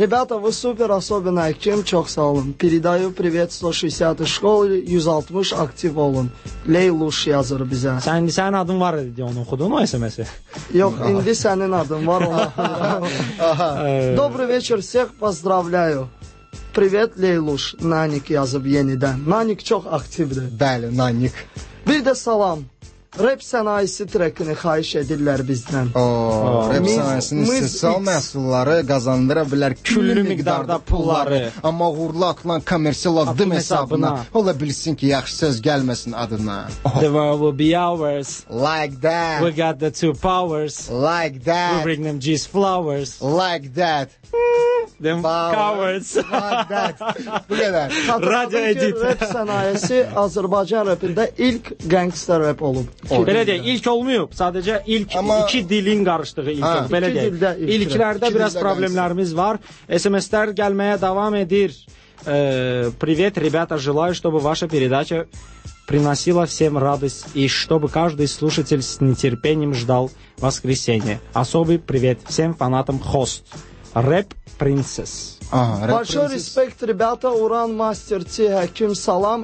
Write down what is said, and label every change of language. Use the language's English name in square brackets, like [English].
[Russian] Ребята, вы супер, особенно кем, [Azerbaijani] çox sağ olun. [Russian] Передаю привет 160-ı школ, 160 [Azerbaijani] aktiv olun. Leyluş yazır bizə. Sənin adın var idi, onu oxudun o SMS-i? Yox, indi sənin adın var. [Russian] Добрый вечер, всех поздравляю. Привет, Лейлуш. [Azerbaijani] Наник yazıb yenidən. Наник çox aktivdir. Bəli, Наник. Bir də salam. Rap sənayisi trekini xahiş edirlər bizdən. Rap sənayisinin istisal məhsulları qazandıra bilər küllü miqdarda pulları. Amma uğurlu atılan komersial addım hesabına. Ola bilsin ki, yaxşı söz gəlməsin adına. [English] The world will be ours. Like that. We got the two powers. Like that. We bring them G's flowers. Like that. Them Powers. Cowards. Like that. [Azerbaijani] Bu qədər. Radio edit. Rap sənayesi Azərbaycan rapində ilk gangster rap olub. Belə deyək, ilk olmayıb. Sadəcə ilk Amma... iki dilin qarışdığı ilk. Belə deyək. İlklərdə biraz problemlərimiz var. SMS-lər gəlməyə davam edir. [Russian] Привет, ребята, желаю, чтобы ваша передача приносила всем радость и чтобы каждый слушатель с нетерпением ждал воскресенье. Особый привет всем фанатам Хост. Рэп принцесс. Большой респект, ребята, Уран Мастер Ти, Хаким, салам.